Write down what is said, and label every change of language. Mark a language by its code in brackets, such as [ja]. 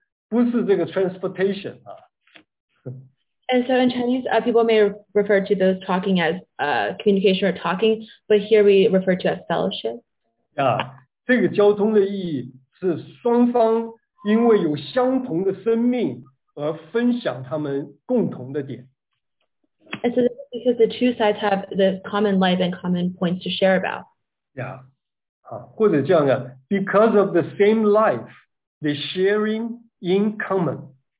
[zh] 我们中文呢，讲到彼此交谈呢，用交流哈，交谈。但是基督徒特别把它翻成叫做交通，不是这个transportation啊。 [en] And so in Chinese, people may refer to those talking as communication or talking, but here we refer to as fellowship. Yeah. [zh] 这个交通的意义是双方因为有相同的生命而分享他们共同的点。And [en] so because the two sides have the common life and common points to share about. Yeah. [zh] 或者这样的, [en] because of the same life, the sharing in common.